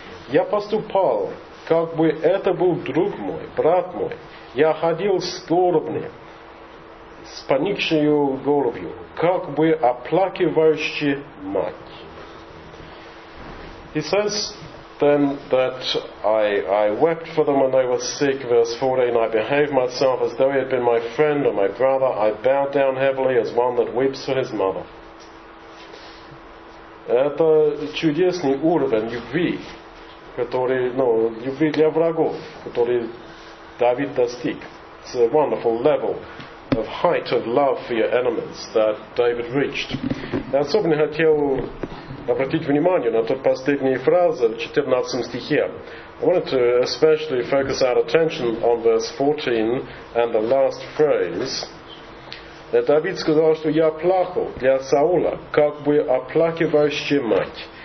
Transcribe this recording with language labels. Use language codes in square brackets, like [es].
[ru] Я поступал, как бы это был друг мой, брат мой. Я ходил скорбный, с поникшей головью, как бы оплакивающий мать. [en] He says then that I wept for them when they were sick, verse 14, I behaved myself as though he had been my friend or my brother, I bowed down heavily as one that weeps for his mother. [ru] Это чудесный уровень любви, который, ну, любви для врагов, который David достиг. [en] It's a wonderful level of height of love for your enemies that David reached. [ru] Я особенно хотел обратить внимание на ту последнюю фразу в 14 стихе. [en] I wanted to especially focus our attention on verse 14 and the last phrase. [ru] David сказал, что я плакал для Саула, как бы оплакивающий мать.